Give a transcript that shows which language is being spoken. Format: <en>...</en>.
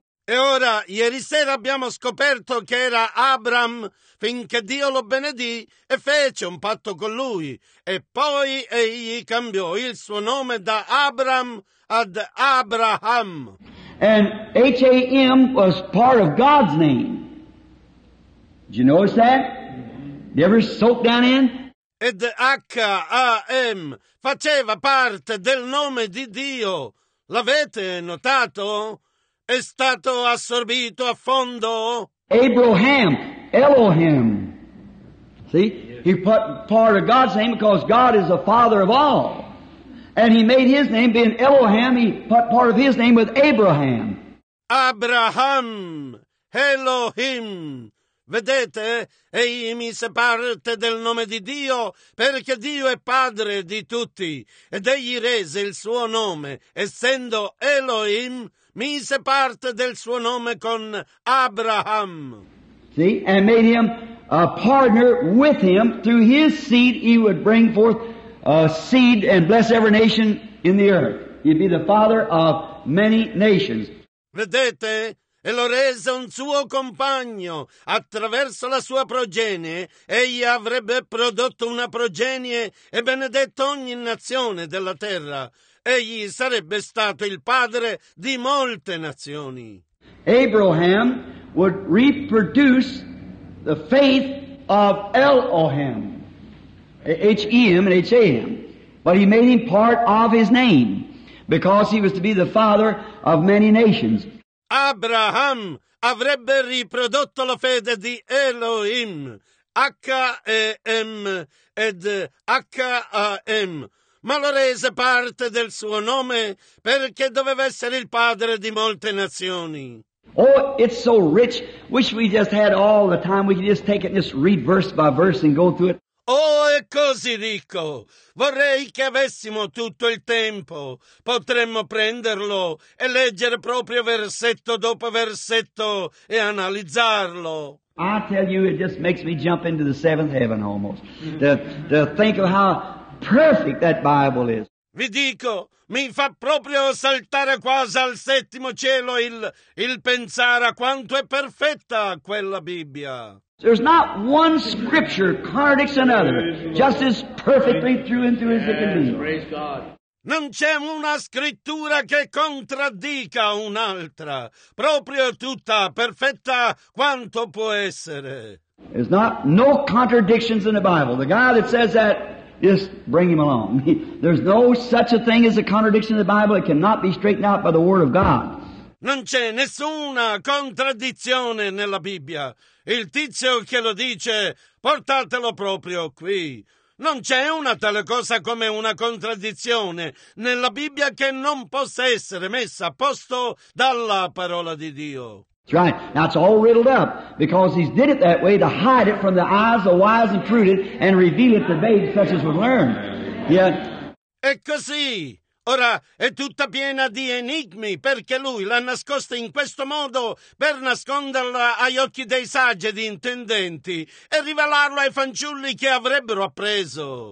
<it>E ora, ieri sera abbiamo scoperto che era Abram finché Dio lo benedì e fece un patto con lui. E poi egli cambiò il suo nome da Abram ad Abraham.</it> <en>And H-A-M was part of God's name. Did you notice that? Did you ever soak down in?</en> <it>Ed H-A-M faceva parte del nome di Dio. L'avete notato? È stato assorbito a fondo.</it> <en>Abraham, Elohim. See? He put part of God's name because God is the father of all. And he made his name being Elohim, he put part of his name with Abraham. Abraham, Elohim.</en> <it>Vedete, egli mise parte del nome di Dio, perché Dio è padre di tutti, ed egli rese il suo nome, essendo Elohim, mise parte del suo nome con Abraham.</it> <en>See, and made him a partner with him, through his seed he would bring forth a seed and bless every nation in the earth. He'd be the father of many nations.</en> <it>Vedete? E lo rese un suo compagno. Attraverso la sua progenie, egli avrebbe prodotto una progenie e benedetto ogni nazione della terra. Egli sarebbe stato il padre di molte nazioni.</it> <en>Abraham would reproduce the faith of Elohim. H-E-M and H-A-M. But he made him part of his name, because he was to be the father of many nations.</en> <it>Abraham avrebbe riprodotto la fede di Elohim, H-E-M ed H-A-M, ma lo rese parte del suo nome perché doveva essere il padre di molte nazioni.</it> <en>Oh, it's so rich. Wish we just had all the time. We could just take it and just read verse by verse and go through it.</en> <it>Oh, è così ricco. Vorrei che avessimo tutto il tempo. Potremmo prenderlo e leggere proprio versetto dopo versetto e analizzarlo.</it> <en>I tell you, it just makes me jump into the seventh heaven almost. To think of how perfect that Bible is.</en> <it>Vi dico, mi fa proprio saltare quasi al settimo cielo il pensare a quanto è perfetta quella Bibbia.</it> <en>There's not one scripture contradicts another, just as perfectly through and through as it can be.</en> <it>Non c'è una scrittura che contraddica un'altra, proprio tutta perfetta quanto può essere.</it> <en>There's not no contradictions in the Bible. The guy that says that, just bring him along. There's no such a thing as a contradiction in the Bible. It cannot be straightened out by the Word of God.</en> <it>Non c'è nessuna contraddizione nella Bibbia. Il tizio che lo dice, portatelo proprio qui. Non c'è una tale cosa come una contraddizione nella Bibbia che non possa essere messa a posto dalla parola di Dio.</it> <en>That's right. Now it's all riddled up because he's did it that way to hide it from the eyes of the wise and prudent and reveal it to babes such as would learn.</en> <it>È così. Ora è tutta piena di enigmi perché lui l'ha nascosta in questo modo per nasconderla agli occhi dei saggi e di intendenti e rivelarlo ai fanciulli che avrebbero appreso.</it>